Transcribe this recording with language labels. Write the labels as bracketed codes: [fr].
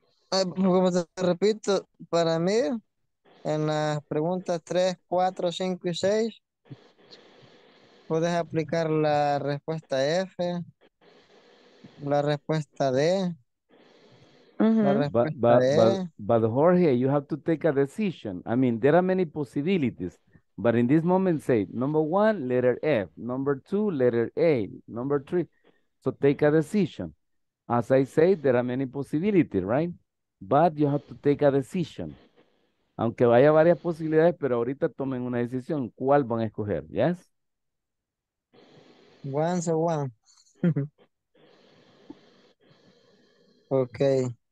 [es] Como te repito, para mí, en las preguntas 3, 4, 5 y 6, puedes aplicar la respuesta F, la respuesta D, [en] But Jorge, you have to take a decision. I mean, there are many possibilities, but in this moment, say number one, letter F, number two, letter A, number three. So take a decision. As I say, there are many possibilities, right? But you have to take a decision. [es] Aunque vaya varias posibilidades, pero ahorita tomen una decisión. ¿Cuál van a escoger? Yes? [en] One, so one. Okay.